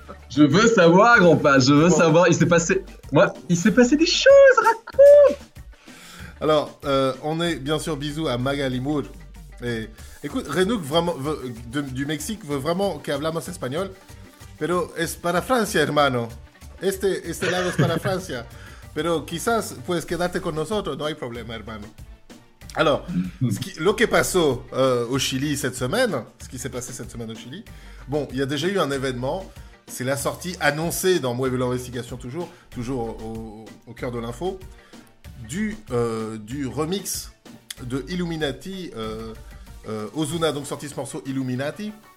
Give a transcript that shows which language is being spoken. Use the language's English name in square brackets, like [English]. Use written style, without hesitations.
[French] Je veux savoir, grand-pa, je veux savoir. Il s'est passé. Moi, il s'est passé des choses, raconte. Alors, on est bien sûr bisous à Magali Moore. Et écoute, Renouk, vraiment, du Mexique, veut vraiment que [Spanish] hablamos español. Pero es para Francia, hermano. Este lado es para Francia. Pero quizás puedes quedarte con nosotros, no hay problema, hermano. [French] Alors, [Spanish] lo que pasó [French] au Chili cette semaine, ce qui s'est passé cette semaine au Chili, bon, il y a déjà eu un événement. C'est la sortie annoncée dans Mueve la Investigación, toujours au cœur de l'info, du remix de Illuminati Ozuna, donc sorti ce morceau Illuminati.